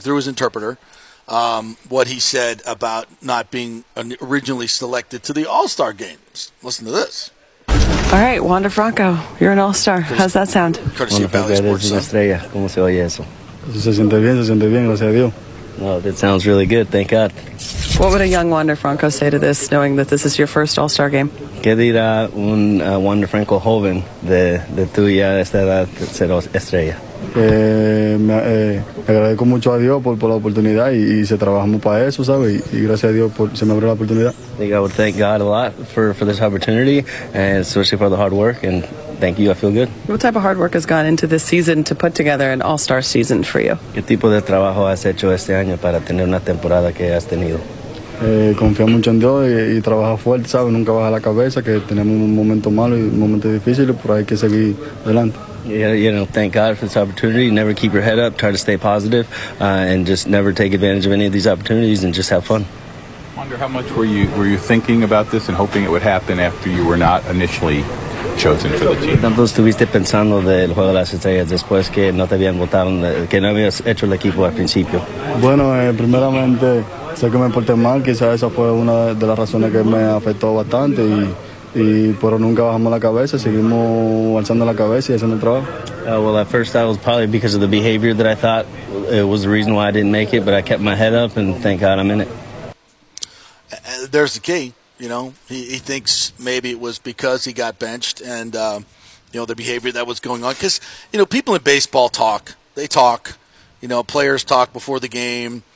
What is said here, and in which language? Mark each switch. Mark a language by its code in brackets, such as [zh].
[en] Through his interpreter, what he said about not being originally selected to the All-Star games. Listen to this. All right, Wander Franco, you're an All-Star. How's that sound? Courtesy of Valley Sports. [es] Una estrella. ¿Cómo se oye eso? Se siente bien, gracias a Dios. [en] Well, that sounds really good, thank God. What would a young Wander Franco say to this, knowing that this is your first All-Star game? [es] ¿Qué dirá un Wander Franco joven de tu ya esta edad ser estrella? Me agradezco mucho a Dios por la oportunidad y se trabajamos para eso, ¿sabes? Y gracias a Dios por se me abrió la oportunidad. [en] I think I would thank God a lot for this opportunity, and especially for the hard work, and thank you, I feel good. What type of hard work has gone into this season to put together an All-Star season for you? [es] ¿Qué tipo de trabajo has hecho este año para tener una temporada que has tenido? Confío mucho en Dios y trabajo fuerte, ¿sabes? Nunca baja la cabeza, que tenemos un momento malo y un momento difícil, pero hay que seguir adelante. [en] Yeah, you know, thank God for this opportunity. Never keep your head up. Try to stay positive, and just never take advantage of any of these opportunities, and just have fun. I wonder how much were you thinking about this and hoping it would happen after you were not initially chosen for the team. [es] ¿Tanto estuviste pensando del juego de las estrellas después que no te habían votado, que no habías hecho el equipo al principio? Bueno, primeramente sé que me porté mal. Quizá esa fue una de las razones que me afectó bastante. Y pero nunca bajamos la cabeza, seguimos alzando la cabeza y haciendo el trabajo. [en] Well, at first that was probably because of the behavior that I thought it was the reason why I didn't make it, but I kept my head up, and thank God I'm in it. There's the key, you know. He thinks maybe it was because he got benched and, you know, the behavior that was going on. Because, you know, people in baseball talk. They talk. You know, players talk before the game.